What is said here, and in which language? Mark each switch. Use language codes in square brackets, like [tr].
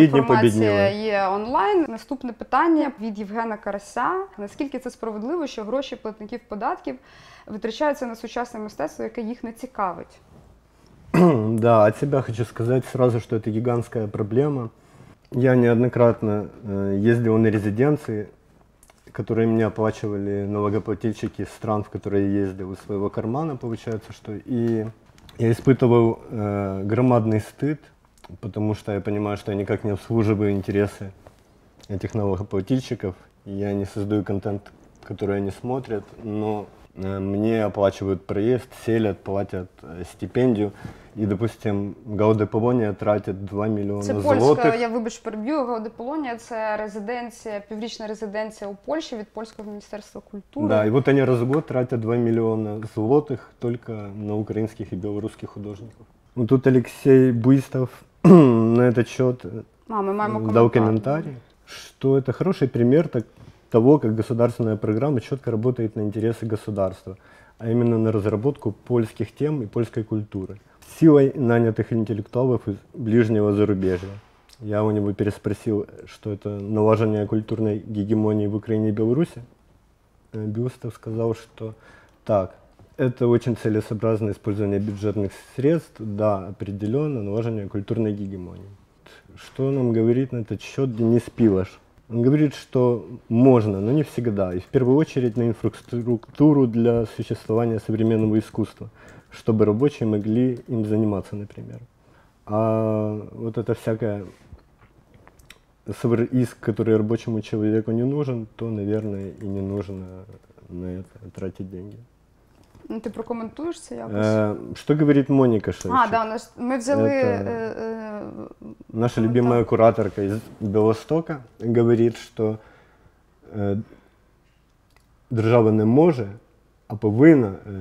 [uk] інформація є онлайн. Наступне питання від Євгена Карася. Наскільки це справедливо, що гроші платників податків витрачаються на сучасне мистецтво, яке їх не цікавить? Да, від себе хочу сказати одразу, що це гігантська проблема. [ru] Я неоднократно ездил на резиденции, которые мне оплачивали налогоплательщики стран, в которые я ездил, из своего кармана, получается, что... И я испытывал громадный стыд, потому что я понимаю, что я никак не обслуживаю интересы этих налогоплательщиков, я не создаю контент, который они смотрят, но мне оплачивают проезд, селят, платят стипендию. [uk] І, допустим, Гауде Полонія тратить 2 мільйони злотих. Це польська, я вибач, переб'ю. Гауде Полонія – це резиденція, піврічна резиденція у Польщі від Польського міністерства культури. Да, і от вони [ru] раз в год [uk] тратять 2 мільйони злотих тільки на українських і білоруських художників. Ну, тут Олексій Буйстов [ru] на этот счет [uk] дав коментарі, що це [ru] хороший пример [uk] того, як [ru] государственная програма [uk] чітко працює на інтереси государства, а іменно на розробку польських тем і польської культури. [ru] Силой нанятых интеллектуалов из ближнего зарубежья. Я у него переспросил, что это налажение культурной гегемонии в Украине и Беларуси. Бюстов сказал, что так, это очень целесообразное использование бюджетных средств. Да, определенно, налажение культурной гегемонии. Что нам говорит на этот счет Денис Пилош? Он говорит, что можно, но не всегда. И в первую очередь на инфраструктуру для существования современного искусства. Чтобы рабочие могли им заниматься, например. А вот эта всякая свер-иск, который рабочему человеку не нужен, то, наверное, и не нужно на это тратить деньги. [uk] Ну, ти прокоментуєш це якось? Що говорить Моніка Шевчук? А, да, нас, ми взяли... Наша любима кураторка із Білостока говорить, що держава не може, а повинна.